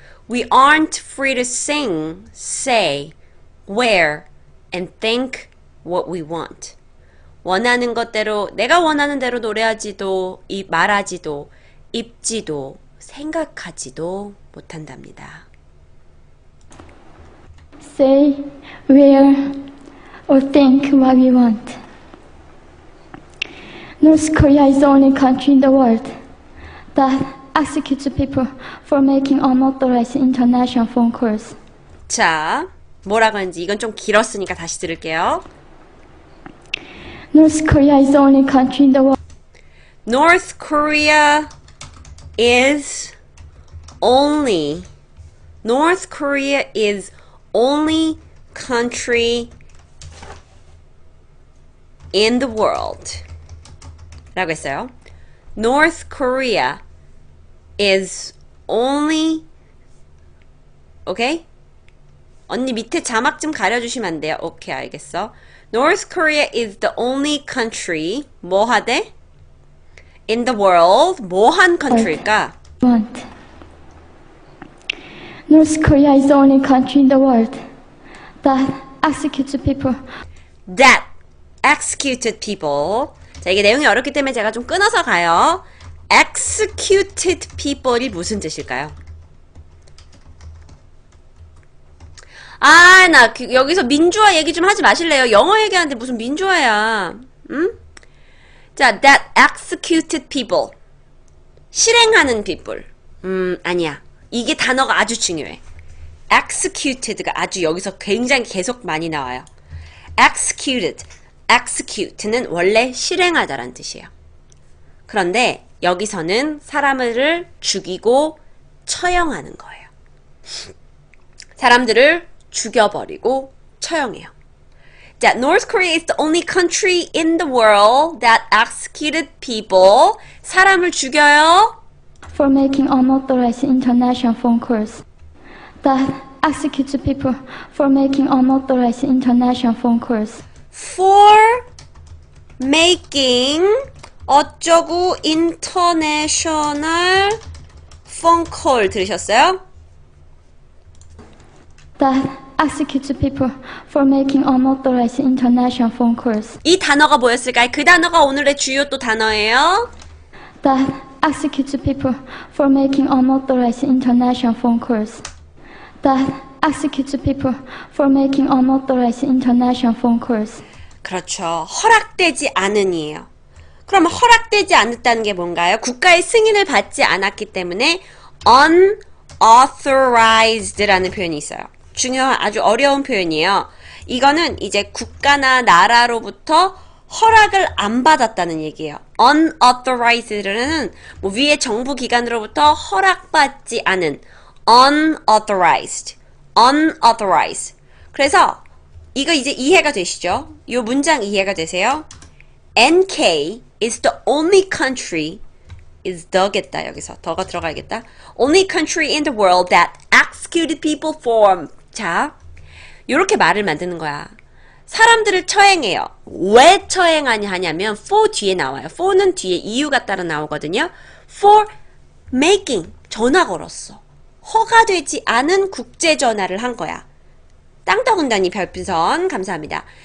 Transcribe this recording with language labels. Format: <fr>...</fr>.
<en>We aren't free to sing, say, wear, and think what we want.</en> <ko>원하는 것대로, 내가 원하는 대로 노래하지도, 말하지도, 입지도, 생각하지도 못한답니다.</ko> <en>Say, wear, or think what we want. North Korea is the only country in the world that executes people for making unauthorized international phone calls.</en> <ko>자, 뭐라고 하는지 이건 좀 길었으니까 다시 들을게요.</ko> <en>North Korea is the only country in the world. North Korea is only North Korea is only country in the world.</en> <ko>라고 했어요.</ko> <en>North Korea is only okay?</en> <ko>언니 밑에 자막 좀 가려주시면 안 돼요? 오케이, 알겠어.</ko> <en>North Korea is the only country</en> <ko>뭐 하대?</ko> <en>In the world</en> <ko>뭐한</ko> <en>country일까? What? North Korea is the only country in the world that executes people. That executed people.</en> <ko>자, 이게 내용이 어렵기 때문에 제가 좀 끊어서 가요.</ko> <en>Executed people</en> <ko>이 무슨 뜻일까요? 아, 나 여기서 민주화 얘기 좀 하지 마실래요? 영어 얘기하는데 무슨 민주화야?</ko> <en>응? 자, that executed people.</en> <ko>실행하는 people. 아니야. 이게 단어가 아주 중요해. executed가 아주 여기서 굉장히 계속 많이 나와요. executed. execute는 원래 실행하다라는 뜻이에요. 그런데 여기서는 사람을 죽이고 처형하는 거예요. 사람들을 죽여버리고 처형해요.</ko> <en>That North Korea is the only country in the world that executed people.</en> <ko>사람을 죽여요.</ko> <en>For making unauthorized international phone calls that executes people. For making unauthorized international phone calls. For making</en> <ko>어쩌구</ko> <en>international phone call</en> <ko>들으셨어요?</ko> <en>That executes people for making unauthorized international phone calls.</en> <ko>이 단어가 뭐였을까요? 그 단어가 오늘의 주요 또 단어예요.</ko> <en>That executes people for making unauthorized international phone calls. That executes people for making unauthorized international phone calls.</en> <ko>그렇죠. 허락되지 않은이에요. 그럼 허락되지 않았다는 게 뭔가요? 국가의 승인을 받지 않았기 때문에 unauthorized라는 표현이 있어요. 중요한, 아주 어려운 표현이에요. 이거는 이제 국가나 나라로부터 허락을 안 받았다는 얘기예요. unauthorized라는 뭐 위에 정부 기관으로부터 허락받지 않은 unauthorized, unauthorized. 그래서 이거 이제 이해가 되시죠? 이 문장 이해가 되세요?</ko> <en>NK is the only country is the</en> <ko>겠다 여기서 더가 들어가야겠다.</ko> <en>Only country in the world that executed people form.</en> <ko>자, 이렇게 말을 만드는 거야. 사람들을 처형해요. 왜 처형하냐 하냐면 for 뒤에 나와요. for는 뒤에 이유가 따라 나오거든요.</ko> <en>For making</en> <ko>전화 걸었어. 허가되지 않은 국제 전화를 한 거야. 땅덩어리님 별풍선 감사합니다.</ko>